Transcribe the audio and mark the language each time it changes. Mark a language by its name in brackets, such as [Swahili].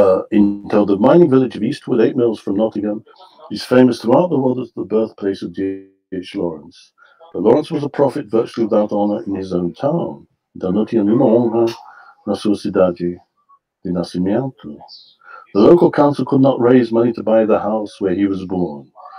[English] Então, the mining village of Eastwood, 8 miles from Nottingham, is famous throughout the world as the birthplace of D.H. Lawrence. But Lawrence was a prophet virtually without honor in his own town. [Portuguese] Então, não tinha nenhuma honra na sua cidade de nascimento. [English] The local council could not raise money to buy the house where he was born.